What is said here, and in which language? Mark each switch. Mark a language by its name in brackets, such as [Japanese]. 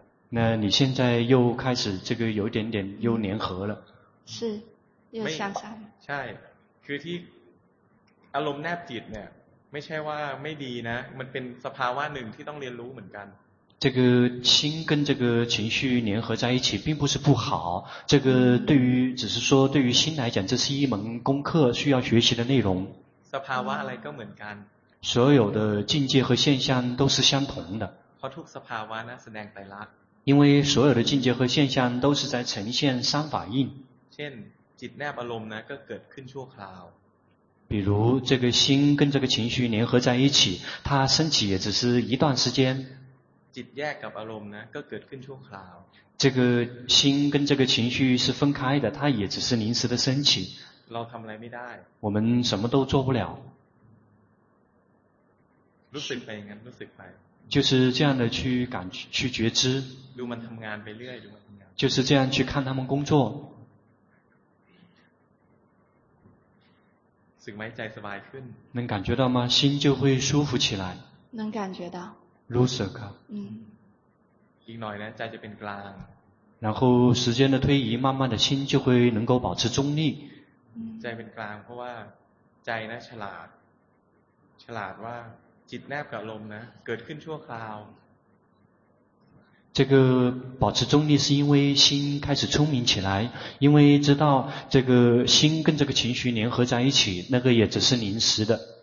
[Chinese] 那你现在又开始这个有点点又粘合了。是又向上。 [Thai] ใช่คือที่อารมณ์แนบจิตเนี่ยไม่ใช่ว่าไม่ดีนะมันเป็นสภาวะหนึ่งที่ต้องเรียนรู้เหมือนกัน [Chinese] 这个心跟这个情绪粘合在一起并不是不好，这个对于只是说对于心来讲这是一门功课需要学习的内容。 [Thai] สภาวะอะไรก็เหมือนกัน [Chinese] 所有的境界和现象都是相同的。 [Thai] เพราะทุกสภาวะนะแสดงไตรลักษณ์ [Chinese] 因为所有的境界和现象都是在呈现三法印。 [Thai] เช่นจิตแนบอารมณ์นะก็เกิดขึ้นชั่วคราว [Chinese] 比如这个心跟这个情绪粘合在一起，它升起也只是一段时间。 [Thai] จิตแยกกับอารมณ์นะก็เกิดขึ้นชั่วคราว [Chinese] 这个心跟这个情绪是分开的，它也只是临时的升起。 [Thai] เราทำอะไรไม่ได้ [Chinese] 我们什么都做不了。 [Thai] รู้สึกไปงั้นรู้สึกไป [Chinese] 就是这样的去感去觉知。 [Thai] ดูมันทำงานไปเรื่อยดูมันทำงาน [Chinese] 就是这样去看他们工作。 [Thai] สึกไหมใจสบายขึ้น [Chinese] 能感觉到吗心就会舒服起来能感觉到 [Thai] รู้สึกครับ อีกหน่อยนะใจจะเป็นกลาง [Chinese] 然后时间的推移慢慢的心就会能够保持中立 [Thai] ใจเป็นกลางเพราะว่าใจนะฉลาดฉลาดว่าจิตแนบกับลมนะเกิดขึ้นชั่วคราว [Chinese] 这个保持中立是因为心开始聪明起来，因为知道这个心跟这个情绪联合在一起，那个也只是临时的。